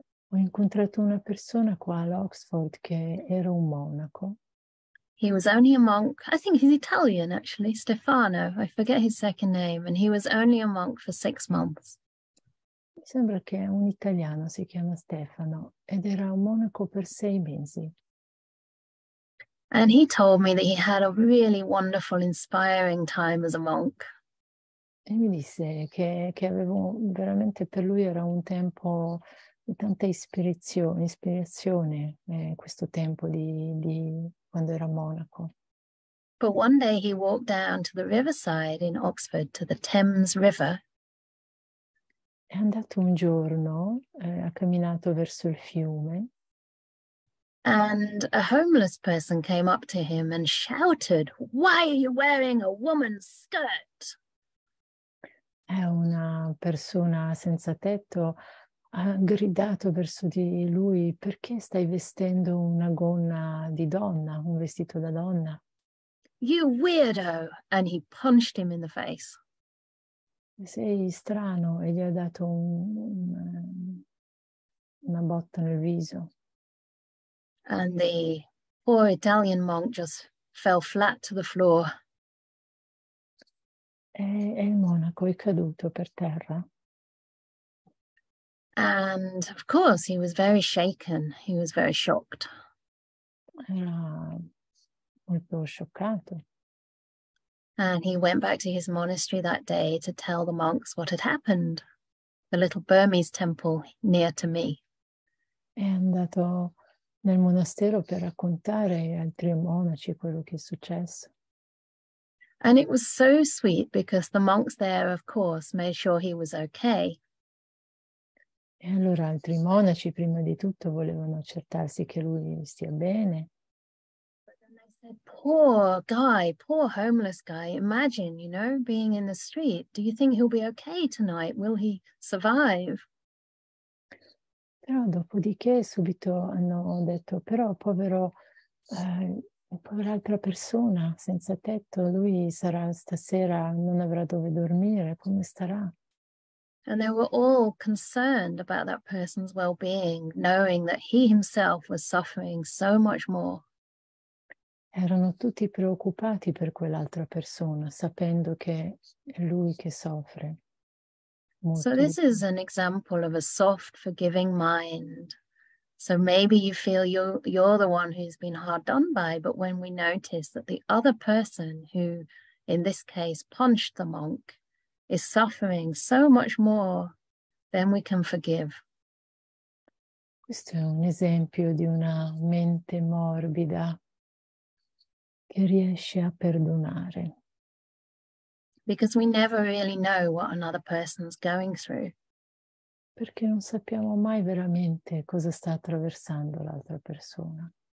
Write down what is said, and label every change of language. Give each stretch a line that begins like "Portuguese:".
Italian: Ho incontrato una persona qua a Oxford che era un monaco.
English: He was only a monk, I think he's Italian actually, Stefano, I forget his second name, and he was only a monk for 6 months.
Italian: Mi sembra che un italiano si chiama Stefano ed era un monaco per 6 mesi.
English: And he told me that he had a really wonderful, inspiring time as a monk.
Italian: E mi disse che avevo veramente, per lui era un tempo di tanta ispirazione, questo tempo di quando era monaco.
English: But one day he walked down to the riverside in Oxford, to the Thames River.
Italian: È andato un giorno, ha camminato verso il fiume.
English: And a homeless person came up to him and shouted, "Why are you wearing a woman's skirt?"
Italian: È una persona senza tetto ha gridato verso di lui, "Perché stai vestendo una gonna di donna, un vestito da donna?"
English: "You weirdo!" And he punched him in the face.
Italian: "Sei strano," e gli ha dato una botta nel viso.
English: And the poor Italian monk just fell flat to the floor.
Italian: E il monaco è caduto per terra.
English: And of course he was very shaken, he was very shocked.
Italian: Era molto scioccato.
English: And he went back to his monastery that day to tell the monks what had happened, the little Burmese temple near to me.
Italian: È andato nel monastero per raccontare ai altri monaci quello che è successo.
English: And it was so sweet because the monks there, of course, made sure he was okay.
Italian: E allora altri monaci, prima di tutto, volevano accertarsi che lui stia bene.
English: But then they said, "Poor guy, poor homeless guy, imagine, you know, being in the street. Do you think he'll be okay tonight? Will he survive?"
Italian: Però dopodiché subito hanno detto, "Però povero, povera altra persona senza tetto, lui sarà stasera, non avrà dove dormire, come starà?"
English: And they were all concerned about that person's well-being, knowing that he himself was suffering so much more.
Italian: Erano tutti preoccupati per quell'altra persona, sapendo che è lui che soffre.
English: So this is an example of a soft, forgiving mind. So maybe you feel you're the one who's been hard done by, but when we notice that the other person who, in this case, punched the monk, is suffering so much more, then we can forgive.
Italian: Questo è un esempio di una mente morbida che riesce a perdonare.
English: Because we never really know what another person's going through.
Italian: Perché non sappiamo mai veramente cosa sta attraversando l'altra persona.